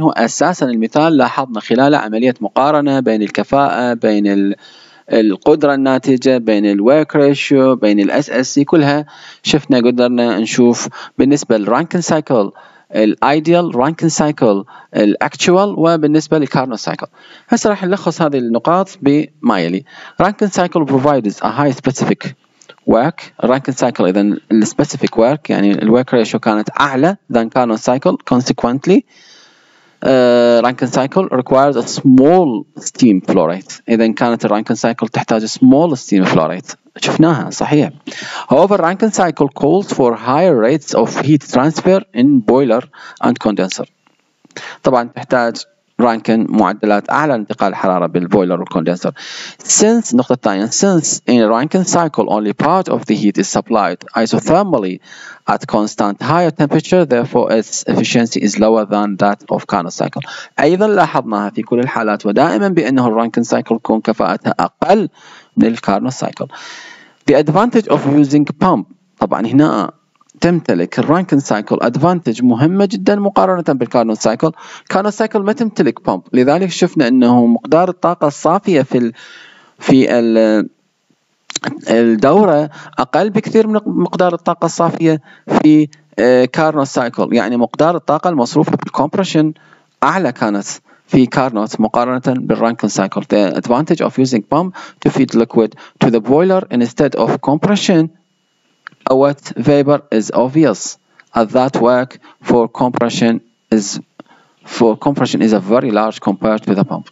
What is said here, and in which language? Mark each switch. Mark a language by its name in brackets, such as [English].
[Arabic] هو أساساً المثال لاحظنا خلاله عملية مقارنة بين الكفاءة، بين القدرة الناتجة، بين الـ work ratio، بين الـ SSC. كلها شفنا قدرنا نشوف بالنسبة للـ Rankine cycle الـ Ideal Rankine Cycle الـ Actual، وبالنسبة للـ Carnot Cycle. هسه راح نلخص هذه النقاط بما يلي: [English] Rankine Cycle provides a high specific work. [Arabic] Rankine Cycle إذن الـ Specific Work يعني الـ Work Ratio كانت أعلى [English] than Carnot Cycle. Consequently Rankine Cycle requires a small steam flow rate. [Arabic] إذن كانت الـ Rankine Cycle تحتاج [English] small steam flow rate، [Arabic] شفناها صحيح. [English] However, Rankine cycle calls for higher rates of heat transfer in boiler and condenser. [Arabic] طبعا تحتاج Rankine معدلات أعلى انتقال حرارة بالبويلر والكوندنسر. [English] Since [Arabic] نقطة ثانية، [English] since in Rankine cycle only part of the heat is supplied isothermally at constant higher temperature, therefore its efficiency is lower than that of Carnot cycle. [Arabic] أيضا لاحظناها في كل الحالات ودائما بأنه Rankine cycle تكون كفاءتها أقل من Carnot cycle. [English] The advantage of using pump. [Arabic] طبعا هنا تمتلك Rankine cycle advantage مهمة جدا مقارنة بالCarnot cycle. Carnot cycle ما تمتلك pump، لذلك شفنا انه مقدار الطاقة الصافية في الدورة اقل بكثير من مقدار الطاقة الصافية في Carnot cycle. يعني مقدار الطاقة المصروفة بالcompression اعلى كانت في Carnot مقارنة بالRankine cycle. [English] The advantage of using pump to feed liquid to the boiler instead of compression what vapor is obvious at that work for compression is a very large compared to the pump.